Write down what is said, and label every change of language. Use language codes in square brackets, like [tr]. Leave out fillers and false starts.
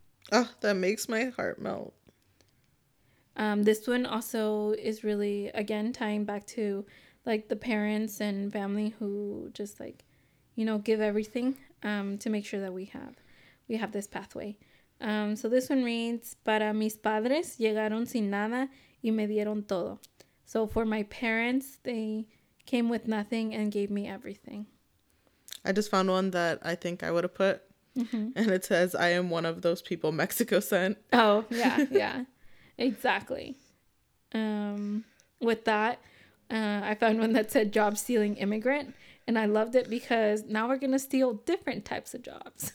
[en] Oh, that makes my heart melt. This one also is really, again, tying back to, like, the parents and family who just, like, you know, give everything to make sure that we have this pathway. So this one reads, [es] "Para mis padres llegaron sin nada y me dieron todo." [en] So for my parents, they came with nothing and gave me everything. I just found one that I think I would have put. Mm-hmm. And it says, "I am one of those people Mexico sent." Oh, yeah, yeah. Exactly. With that, I found one that said "job stealing immigrant," and I loved it because now we're gonna steal different types of jobs.